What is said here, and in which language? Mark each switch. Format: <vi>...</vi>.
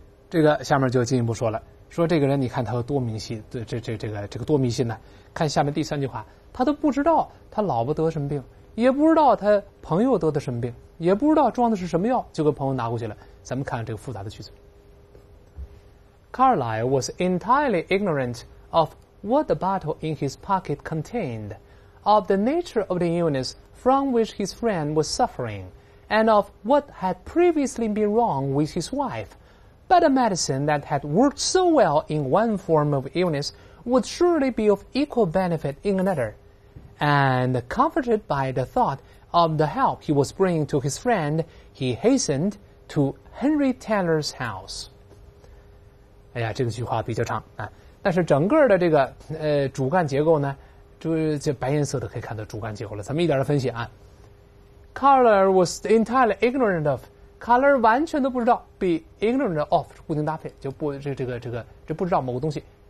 <zh>这个下面就进一步说了，说这个人你看他有多迷信，对，这个多迷信呢？看下面第三句话，他都不知道他老婆得什么病，也不知道他朋友得的什么病，也不知道装的是什么药，就跟朋友拿过去了。咱们看看这个复杂的句子。</zh> <en>Carlyle was entirely ignorant of what the bottle in his pocket contained, of the nature of the illness from which his friend was suffering, and of what had previously been wrong with his wife. But a medicine that had worked so well in one form of illness would surely be of equal benefit in another. And comforted by the thought of the help he was bringing to his friend, he hastened to Henry Taylor's house.</en> <zh>哎呀，这个句话比较长啊。但是整个的这个主干结构呢，就白颜色的可以看到主干结构了。咱们一点的分析啊。</zh> <en>Carlyle was entirely ignorant of，</en> <zh>Carlyle 完全都不知道 ，</zh> <en>be ignorant of</en> <zh>固定搭配，就不这不知道某个东西。</zh>